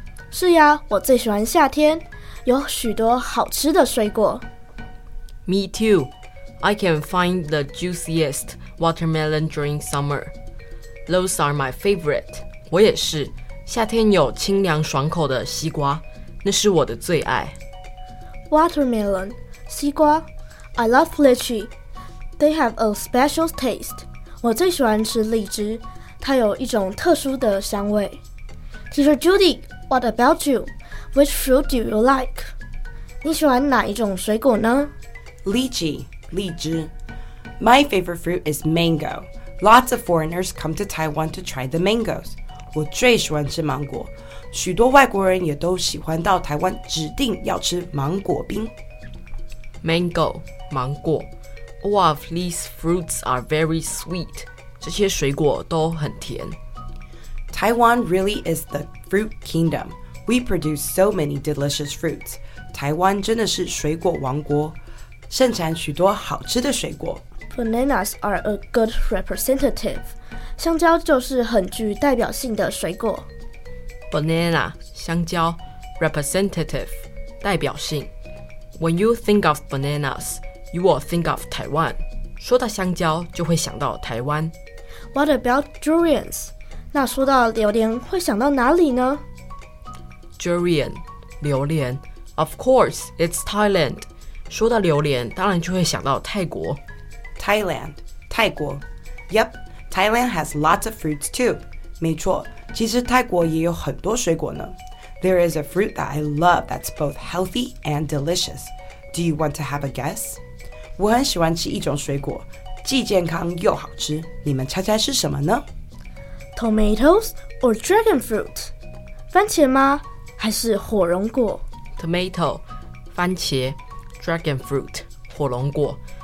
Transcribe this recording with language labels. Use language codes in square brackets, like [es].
[zh] 是呀，我最喜欢夏天，有许多好吃的水果。 [en] Me too. I can find the juiciest watermelon during summer. Those are my favorite. [zh] 我也是。夏天有清凉爽口的西瓜，那是我的最爱。 [en] Watermelon, 西瓜。I love lychee. They have a special taste. [zh] 我最喜欢吃荔枝，它有一种特殊的香味。 [en] Teacher Judy, what about you? Which fruit do you like? [zh] 你喜欢哪一种水果呢？ [en] Lychee, 荔枝.My favorite fruit is mango. Lots of foreigners come to Taiwan to try the mangoes. [zh] 我最喜欢吃芒果，许多外国人也都喜欢到台湾指定要吃芒果冰。 [en] Mango, 芒果.All of these fruits are very sweet. [zh] 这些水果都很甜。 [en] Taiwan really is the fruit kingdom. We produce so many delicious fruits. [zh] 台湾真的是水果王国。盛产许多好吃的水果。 [en] Bananas are a good representative. [zh] 香蕉就是很具代表性的水果。 [en] Banana, 香蕉, representative, 代表性。 When you think of bananas, you will think of Taiwan. [zh] 说到香蕉就会想到台湾。 [en] What about durians? [zh] 那说到榴莲会想到哪里呢？ [en] Durian, 榴莲。Of course, it's Thailand. [zh] 说到榴莲，当然就会想到泰国。 [en] Thailand, 泰国。Yep, Thailand has lots of fruits too. [zh] 没错，其实泰国也有很多水果呢。 [en] There is a fruit that I love that's both healthy and delicious. Do you want to have a guess? [zh] 我很喜欢吃一种水果，既健康又好吃。你们猜猜是什么呢？ [en] Tomatoes or dragon fruit? [zh] 番茄吗？还是火龙果？ [en] Tomato, 番茄。Dragon fruit, 火龙果。